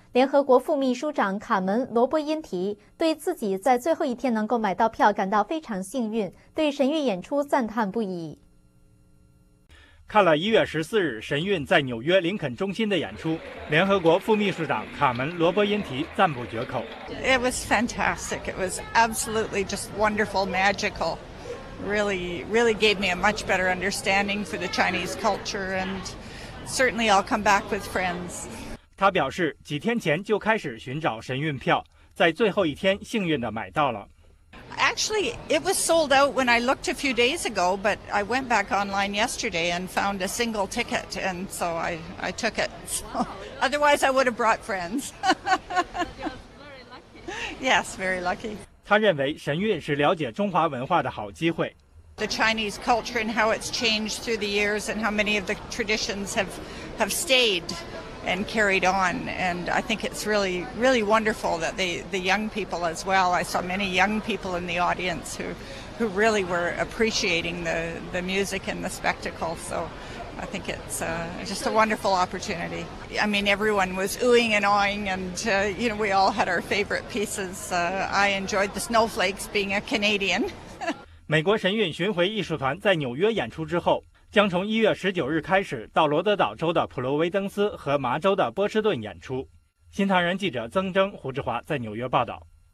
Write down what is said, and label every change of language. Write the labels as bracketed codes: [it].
[zh] 联合国副秘书长卡门·罗伯因提对自己在最后一天能够买到票感到非常幸运，对神韵演出赞叹不已。看了1月14日神韵在纽约林肯中心的演出，联合国副秘书长卡门·罗伯因提赞不绝口。 [en] It was fantastic. It was absolutely just wonderful, magical. really gave me a much better understanding for the Chinese culture, and certainly I'll come back with friends. [zh] 他表示，几天前就开始寻找神韵票，在最后一天幸运地买到了。 [en] Actually, it was sold out when I looked a few days ago, but I went back online yesterday and found a single ticket, and so I took it. So, otherwise, I would have brought friends. Yes, very lucky. [zh] 他认为神韵是了解中华文化的好机会。 [en] The Chinese culture and how it's changed through the years and how many of the traditions have stayed and carried on. And I think it's really, really wonderful that the young people as well, I saw many young people in the audience who really were appreciating the music and the spectacle. So I think it's just a wonderful opportunity. I mean, everyone was oohing and aahing and, you know, we all had our favorite pieces. I enjoyed the snowflakes being a Canadian. [zh] 美国神韵巡回艺术团在纽约演出之后，将从1月19日开始到罗德岛州的普罗维登斯和麻州的波士顿演出。新唐人记者曾征、胡志华在纽约报道。